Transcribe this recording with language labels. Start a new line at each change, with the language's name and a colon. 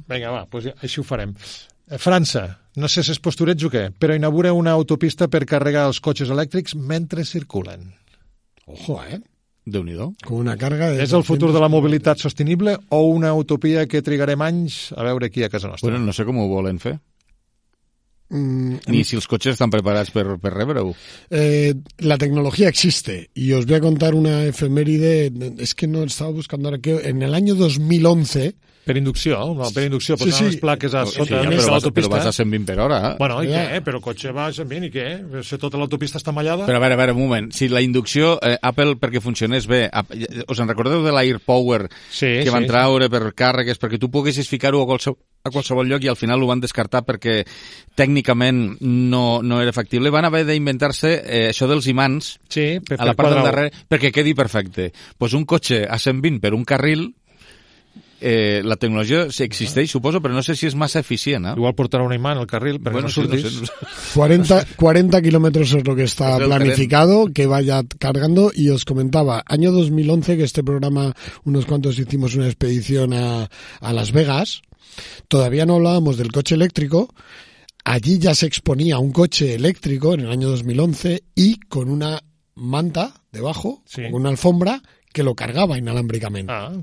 Catalan: Vinga, va, doncs així ho farem. França, no sé si és postureig o què, però inaugura una autopista per carregar els cotxes elèctrics mentre circulen.
Spanish: Ojo, eh?
Catalan: Déu-n'hi-do. Com una càrrega... És el futur de la mobilitat sostenible o una utopia que trigarem anys a veure aquí a casa nostra? Bueno, no sé com ho volen fer. Ni si els cotxes estan preparats per rebre-ho.
Spanish: La tecnologia existe y os voy a contar una efeméride, es que no estaba buscando ara que en el año 2011
Catalan: per inducció, posant sí, les plaques a sota sí, de l'autopista. Però vas a 120 per hora. Bueno, i què? Però el cotxe va a 120 i què? Si tota l'autopista està mallada? Però a veure, un moment. Si la inducció, Apple, perquè funcionés bé, us en recordeu de l'AirPower van traure per càrregues, perquè tu poguessis ficar-ho a qualsevol lloc i al final ho van descartar perquè tècnicament no era factible. Van haver d'inventar-se això dels imants per a la part quadrat del darrere perquè quedi perfecte. Pues un cotxe a 120 per un carril... la tecnologia existeix, suposo, però no sé si és massa eficient. Igual portarà un imant al carril perquè bueno, no surtis. Sí, no sé.
Spanish: 40 kilómetros es lo que está es planificado, tren. Que vaya cargando. Y os comentaba, año 2011, que este programa, unos cuantos hicimos una expedición a Las Vegas, todavía no hablábamos del coche eléctrico. Allí ya se exponía un coche eléctrico en el año 2011 y con una manta debajo, sí, con una alfombra, que lo cargaba inalámbricamente. Ah.